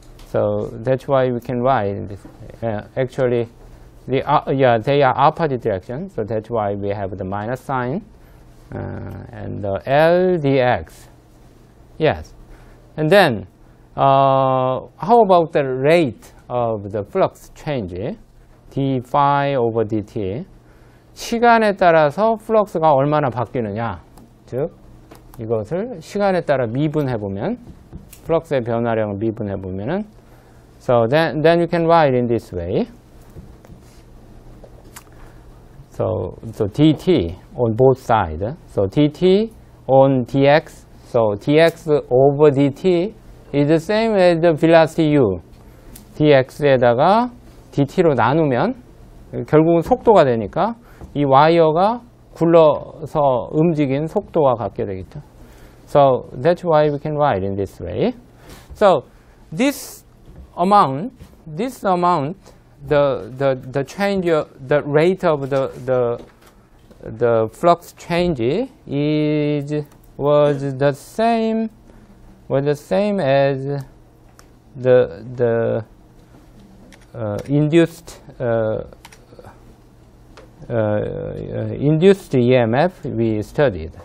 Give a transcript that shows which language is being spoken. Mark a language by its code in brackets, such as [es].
[en] So that's why we can write this. Actually, they are opposite direction. So that's why we have the minus sign and the l dx. Yes. And then how about the rate of the flux change? d phi over dt. [ko] 시간에 따라서 플럭스가 얼마나 바뀌느냐. 즉, 이것을 시간에 따라 미분해보면, 플럭스의 변화량을 미분해보면, [en] so then you can write in this way. So dt on both sides. So dt on dx, so dx over dt is the same as the velocity u. [ko] dx에다가 dt로 나누면, 결국은 속도가 되니까, 이 와이어가 굴러서 움직인 속도와 같게 되겠죠. [en] So that's why we can write in this way. So this amount, the change, the rate of the flux change was the same as the induced EMF we studied.